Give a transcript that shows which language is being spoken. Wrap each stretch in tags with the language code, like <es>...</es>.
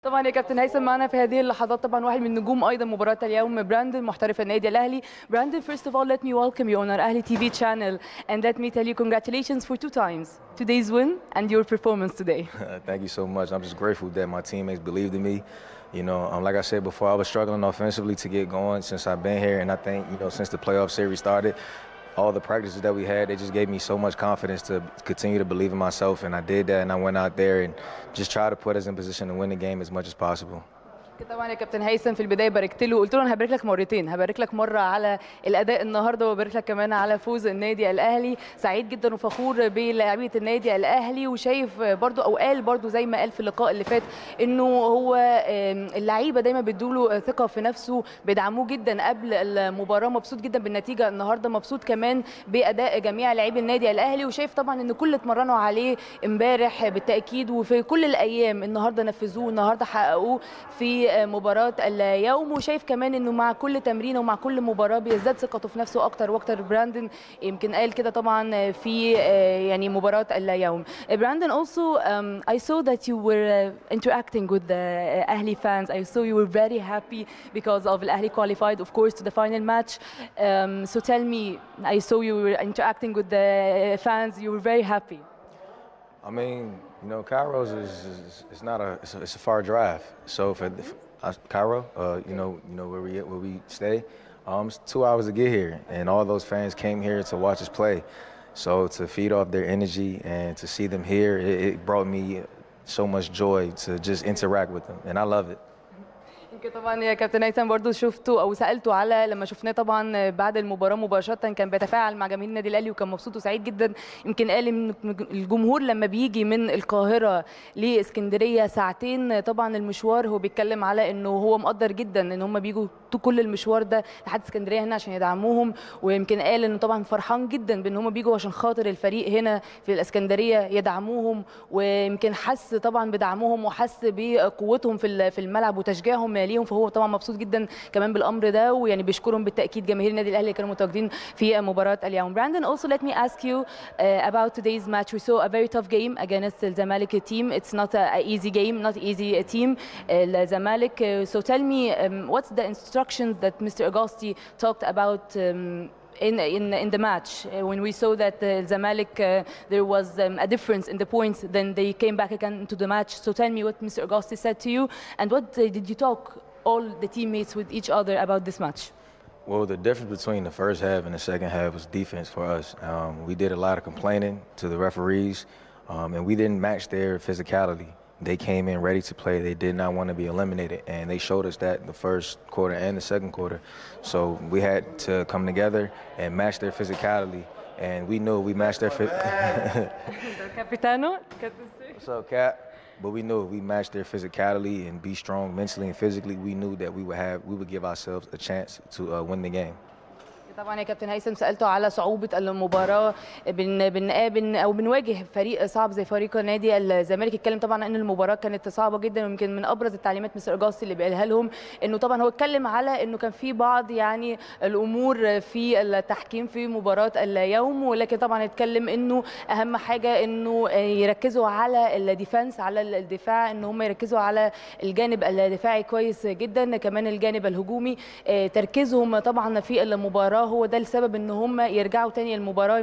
<ar>طبعا يا كابتن هيثم معانا في هذه اللحظات طبعا واحد من نجوم ايضا مباراه اليوم براندن محترف النادي الاهلي.</ar> <en>Brandon first of all let me welcome you on our Ahli TV channel and let me tell you congratulations for two times today's win and your performance today. Thank you so much. I'm just grateful that my teammates believed in me. You know, like I said before, I was struggling offensively to get going since I've been here, and I think, you know, since the playoff series started, all the practices that we had, they just gave me so much confidence to continue to believe in myself, and I did that, and I went out there and just tried to put us in position to win the game as much as possible.</en> <ar>طبعا يا كابتن هيثم في البدايه باركت له وقلت له انا هبارك لك مرتين، هبارك لك مره على الاداء النهارده وبارك لك كمان على فوز النادي الاهلي. سعيد جدا وفخور بلاعيبه النادي الاهلي، وشايف برده او قال برده زي ما قال في اللقاء اللي فات انه هو اللعيبه دايما بيدوا له ثقه في نفسه، بيدعموه جدا قبل المباراه، مبسوط جدا بالنتيجه النهارده، مبسوط كمان باداء جميع لاعيبه النادي الاهلي، وشايف طبعا ان كل اتمرنوا عليه امبارح بالتاكيد وفي كل الايام النهارده نفذوه، النهارده حققوه في مباراة اليوم، وشايف كمان انه مع كل تمرين ومع كل مباراة بيزداد ثقته في نفسه اكتر واكتر. براندن يمكن قال كده طبعا في يعني مباراة اليوم.</ar> <en>Brandon also I saw that you were interacting with the Ahli fans. I saw you were very happy because of Ahli qualified of course to the final match. So tell me, I saw you were interacting with the fans, you were very happy. I mean, you know, Cairo's is a far drive. So for Cairo, you know where we stay, it's 2 hours to get here, and all those fans came here to watch us play. So to feed off their energy and to see them here, it brought me so much joy to just interact with them, and I love it.</en> <ar>طبعا يا كابتن هيثم برضو شفته او سالته على لما شفناه طبعا بعد المباراه مباشره، كان بيتفاعل مع جماهير النادي الاهلي وكان مبسوط وسعيد جدا. يمكن قال ان الجمهور لما بيجي من القاهره لاسكندريه ساعتين طبعا المشوار، هو بيتكلم على انه هو مقدر جدا ان هم بيجوا كل المشوار ده لحد اسكندريه هنا عشان يدعموهم، ويمكن قال انه طبعا فرحان جدا بان هم بيجوا عشان خاطر الفريق هنا في الاسكندريه يدعموهم، ويمكن حس طبعا بدعمهم وحس بقوتهم في الملعب وتشجيعهم ليهم، فهو طبعا مبسوط جدا كمان بالامر ده، ويعني بيشكرهم بالتاكيد جماهير النادي الاهلي كانوا متواجدين في مباراه اليوم.</ar> <en>Brandon also let me ask you about today's match. We saw a very tough game against the Zamalek team. It's not an easy game, not easy a team. Zamalek, so tell me what's the instructions that Mr. Agosti talked about in the match when we saw that Zamalek there was a difference in the points, then they came back again into the match. So tell me what Mr. Agosti said to you, and what did you talk all the teammates with each other about this match? Well, the difference between the first half and the second half was defense for us. We did a lot of complaining to the referees, and we didn't match their physicality. They came in ready to play. They did not want to be eliminated, and they showed us that in the first quarter and the second quarter. So we had to come together and match their physicality, and we knew we matched their Capitano. What's up, Cap? But we knew if we matched their physicality and be strong mentally and physically, we knew that we would give ourselves a chance to win the game.</en> <ar>طبعا يا كابتن هيثم سالته على صعوبه المباراه بنقابل او بنواجه فريق صعب زي فريق نادي الزمالك. اتكلم طبعا ان المباراه كانت صعبه جدا، ويمكن من ابرز التعليمات مستر اجاستي اللي بيقالها لهم انه طبعا هو اتكلم على انه كان في بعض يعني الامور في التحكيم في مباراه اليوم، ولكن طبعا اتكلم انه اهم حاجه انه يركزوا على الديفنس، على الدفاع، ان هم يركزوا على الجانب الدفاعي كويس جدا، كمان الجانب الهجومي تركيزهم طبعا في المباراه هو ده السبب ان هم يرجعوا تاني المباراه.</ar>